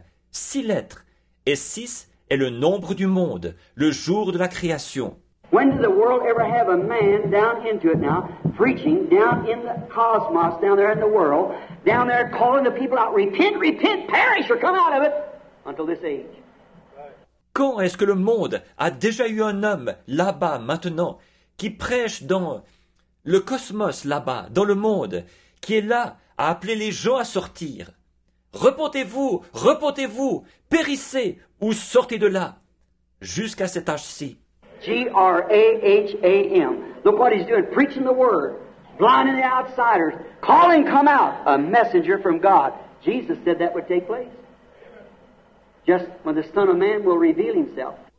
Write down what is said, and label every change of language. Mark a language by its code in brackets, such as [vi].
[fr] Six lettres. Et six est le nombre du monde, le jour de la création. [en] When did the world ever have a man down into it now, preaching down in the cosmos, down there in the world, down there calling the people out, repent, repent, perish, or come out of it, until this age? [fr] Quand est-ce que le monde a déjà eu un homme là-bas maintenant qui prêche dans le cosmos là-bas, dans le monde, qui est là à appeler les gens à sortir? Repentez-vous, repentez-vous, périssez ou sortez de là, jusqu'à cet âge-ci. [en] G-R-A-H-A-M. Look what he's doing, preaching the word, blinding the outsiders, calling, come out, a messenger from God. Jesus said that would take place. Just when the Son of Man will reveal himself.